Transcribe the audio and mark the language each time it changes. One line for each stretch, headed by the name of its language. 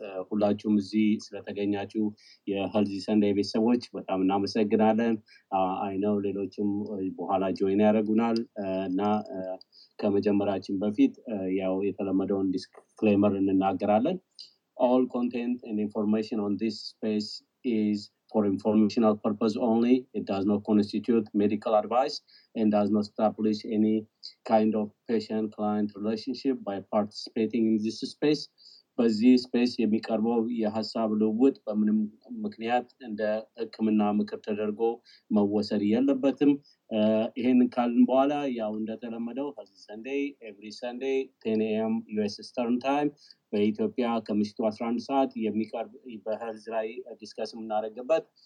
Amharic: ሁላችሁም እዚህ ስለተገኛችሁ የሄልዚ ሰንደይ ቤተሰቦች በጣም እናመሰግናለን። አይ ኖው ሌሎችም በኋላ ጆይን ያደርጉናል እና ከመጀመራችን በፊት ያው የተለመደውን ዲስክሌመር እንናገራለን።
English: All content and information on this space is for informational purpose only. It does not constitute medical advice and does not establish any kind of patient-client relationship by participating in this space. But this space
Amharic: የሚቀርቦ የሐሳብ ልውውጥ በምንም ምክንያት እንደ ህክምና ምክር ተደርጎ መወሰድ የለበትም። ይሄን ካልን በኋላ ያው እንደተለመደው ሀዚ ሰንዴ ኤቭሪ ሰንዴ 10 AM US Eastern Time በኢትዮጵያ ከምሽቱ 11 ሰዓት የሚቀርብ በሄልዝ ላይ ዲስከስም እናደርግበት